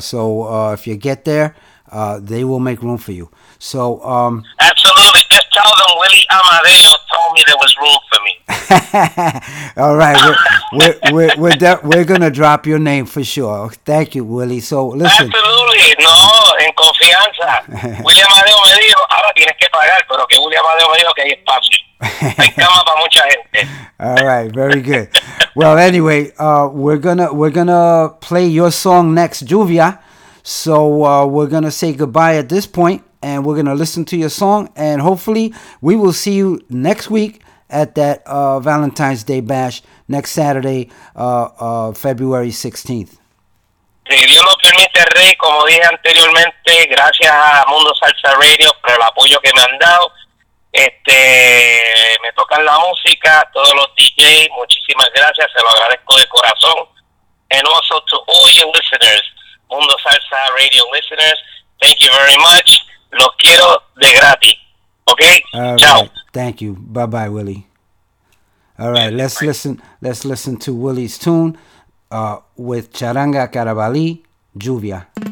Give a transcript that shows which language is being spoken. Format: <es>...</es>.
<en>So if you get there, they will make room for you. So absolutely. Just tell them Willie Amadeo told me there was room for me. All right, we're gonna drop your name for sure. Thank you, Willie. So listen.</en> <es>Absolutely, no, en confianza. Willie Amadeo me dijo, ahora tienes que pagar, pero que Willie Amadeo me dijo que hay espacio.</es> <en>All right, very good. Well, anyway, we're gonna play your song next, Juvia. So we're gonna say goodbye at this point, and we're gonna listen to your song, and hopefully we will see you next week at that Valentine's Day bash next Saturday, February 16th.</en> <es>Si Dios lo permite, Rey, como dije anteriormente, gracias a Mundo Salsa Radio por el apoyo que me han dado. Me tocan la música, todos los DJs, muchísimas gracias, se lo agradezco de corazón.</es> <en>And also to all your listeners, Mundo Salsa Radio listeners, thank you very much.</en> <es>Los quiero de gratis. Okay.</es> <en>All</en> <it>ciao.</it> <en>Right. Thank you. Bye, bye, Willie. All right. Let's listen. Let's listen to Willie's tune, with Charanga Caravali, Juvia.</en>